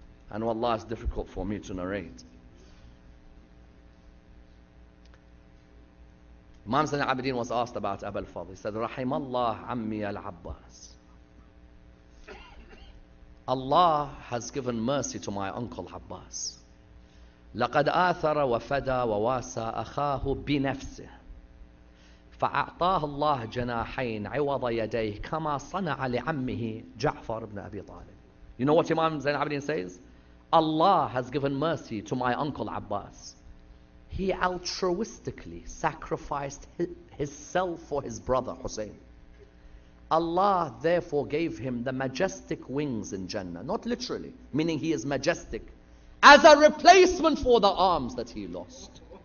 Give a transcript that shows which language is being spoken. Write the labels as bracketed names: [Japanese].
[English] And wallah, it's difficult for me to narrate. Imam Zain al-Abidin was asked about Abu al-Fadl. He said, [Arabic] Rahim Allah Ammi al-Abbas. [English] Allah has given mercy to my uncle Abbas. [Arabic] لَقَدْ آثَرَ وَفَدَى وَوَاسَى أَخَاهُ بِنَفْسِهِ فأعطاه الله جناحين عوض يديه كما صنع لعمه جعفر بن أبي طالب. [English] You know what Imam Zain al-Abidin says? Allah has given mercy to my uncle Abbas. He altruistically sacrificed his self for his brother Hussein. Allah therefore gave him the majestic wings in Jannah. Not literally, meaning he is majestic, as a replacement for the arms that he lost.